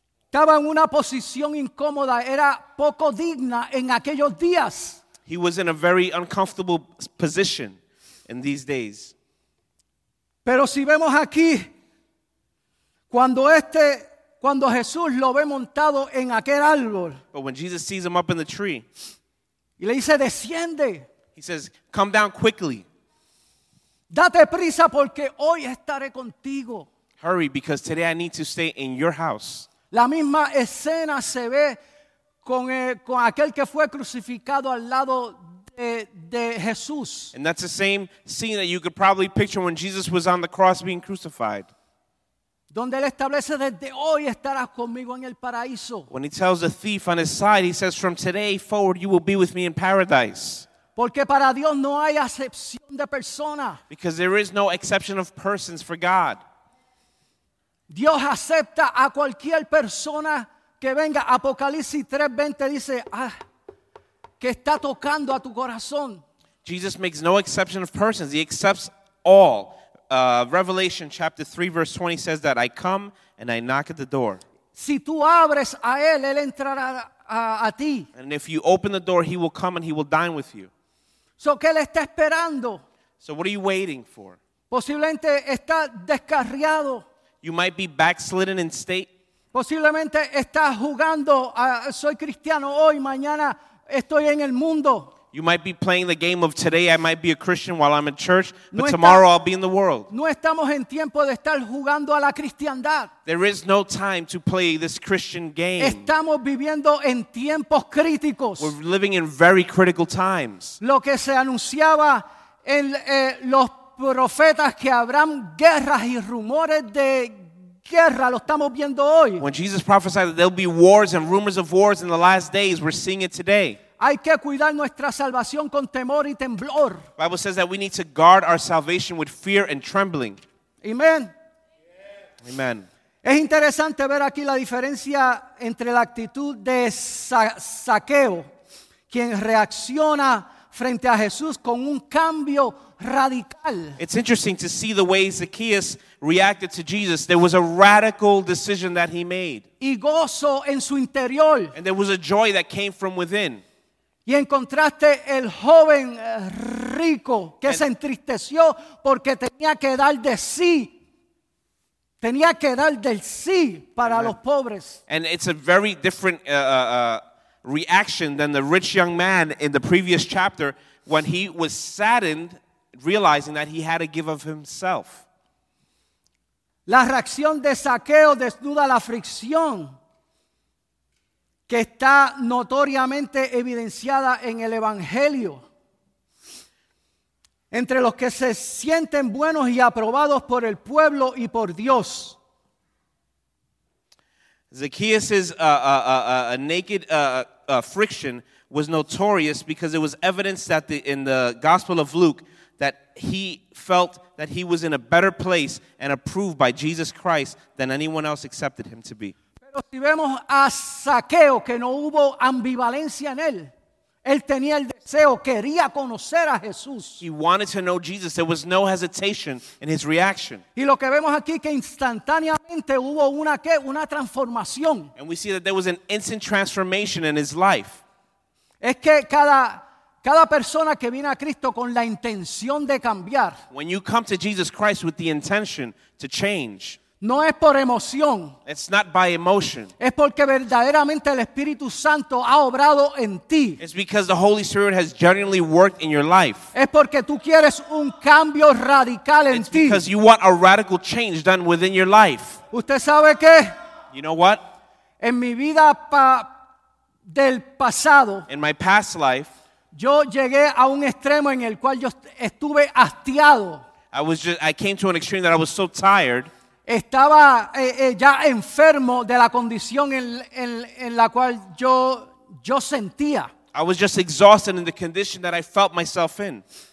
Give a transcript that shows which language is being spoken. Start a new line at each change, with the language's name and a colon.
Spanish: Estaba en una posición incómoda, era poco digna en aquellos días.
English: He was in a very uncomfortable position in these days.
Spanish: Pero si vemos aquí, cuando Jesús lo ve montado en aquel árbol.
English: But when Jesus sees him up in the tree.
Spanish: Y le dice, desciende.
English: He says, come down quickly.
Spanish: Date prisa porque hoy estaré contigo.
English: Hurry, because today I need to stay in your house.
Spanish: La misma escena se ve con aquel que fue crucificado al lado de Jesús.
English: And that's the same scene that you could probably picture when Jesus was on the cross being crucified.
Spanish: Donde él establece, desde hoy estarás conmigo en el paraíso.
English: When he tells the thief on his side, he says, from today forward you will be with me in paradise.
Spanish: Porque para Dios no hay acepción de persona.
English: Because there is no exception of persons for God.
Spanish: Dios acepta a cualquier persona que venga. Apocalipsis 3:20 dice, que está tocando a tu corazón.
English: Jesus makes no exception of persons. He accepts all. Revelation chapter 3 verse 20 says that I come and I knock at the door.
Spanish: Si tú abres a él, él entrará a ti.
English: And if you open the door, he will come and he will dine with you.
Spanish: So, ¿qué le está esperando?
English: So what are you waiting for?
Spanish: Posiblemente está descarriado.
English: You might be backslidden in state.
Spanish: Posiblemente está jugando, soy cristiano hoy, mañana estoy en el mundo.
English: You might be playing the game of today. I might be a Christian while I'm in church, but tomorrow I'll be in the world.
Spanish: No estamos en tiempo de estar jugando a la cristiandad.
English: There is no time to play this Christian game.
Spanish: Estamos viviendo en tiempos críticos.
English: We're living in very critical times.
Spanish: Lo que se anunciaba en los profetas que habrán guerras y rumores de guerra, lo estamos viendo hoy.
English: When Jesus prophesied that there'll be wars and rumors of wars in the last days, we're seeing it today.
Spanish: Hay que cuidar nuestra salvación con temor y temblor.
English: The Bible says that we need to guard our salvation with fear and trembling. Amen. Yes. Amen.
Spanish: Es interesante ver aquí la diferencia entre la actitud de Zaqueo, quien reacciona frente a Jesús con un cambio radical.
English: It's interesting to see the way Zacchaeus reacted to Jesus. There was a radical decision that he made.
Spanish: Y gozo en su interior.
English: And there was a joy that came from within.
Spanish: Y encontraste el joven rico que se entristeció porque tenía que dar de sí. Tenía que dar del sí para Amen. Los pobres.
English: And it's a very different reaction than the rich young man in the previous chapter when he was saddened realizing that he had to give of himself.
Spanish: La reacción de Zaqueo desnuda la fricción que está notoriamente evidenciada en el Evangelio. Entre los que se sienten buenos y aprobados por el pueblo y por Dios.
English: Zacchaeus's naked friction was notorious because it was evidence that in the Gospel of Luke that he felt that he was in a better place and approved by Jesus Christ than anyone else accepted him to be.
Spanish: Si vemos a Zaqueo, que no hubo ambivalencia en él. Él tenía el deseo, quería conocer a Jesús.
English: He wanted to know Jesus. There was no hesitation in his reaction.
Spanish: Y lo que vemos aquí, que instantáneamente hubo una, ¿qué? Una transformación.
English: And we see that there was an instant transformation in his life.
Spanish: Es que cada persona que viene a Cristo con la intención de cambiar.
English: When you come to Jesus Christ with the intention to change.
Spanish: No es por emoción.
English: It's not by emotion.
Spanish: Es porque verdaderamente el Espíritu Santo ha obrado en ti.
English: It's because the Holy Spirit has genuinely worked in your life.
Spanish: Es porque tú quieres un cambio radical en ti.
English: It's because you want a radical change done within your life.
Spanish: ¿Usted sabe qué?
English: You know what?
Spanish: En mi vida del pasado.
English: In my past life.
Spanish: Yo llegué a un extremo en el cual yo estuve hastiado.
English: I came to an extreme that I was so tired.
Spanish: Estaba ya enfermo de la condición en la cual yo sentía.
English: I was just exhausted in the condition that I felt myself in.